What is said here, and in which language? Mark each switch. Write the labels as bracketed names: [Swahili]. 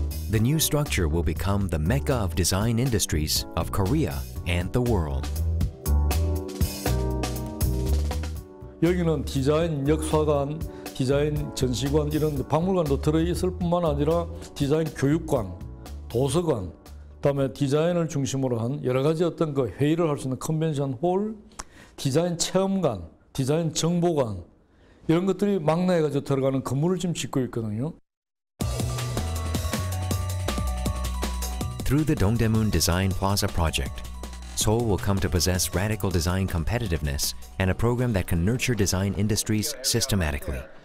[English] The new structure will become the mecca of design industries of Korea and the world. [Korean] 여기는 디자인 역사관, 디자인 전시관 이런 박물관도 들어 있을 뿐만 아니라 디자인 교육관, 도서관, 그다음에 디자인을 중심으로 한 여러 가지 어떤 그 회의를 할 수 있는 컨벤션 홀, 디자인 체험관, 디자인 정보관 이런 것들이 망라해가지고 들어가는 건물을 지금 짓고 있거든요. [English] Through the Dongdaemun Design Plaza project, Seoul will come to possess radical design competitiveness and a program that can nurture design industries systematically.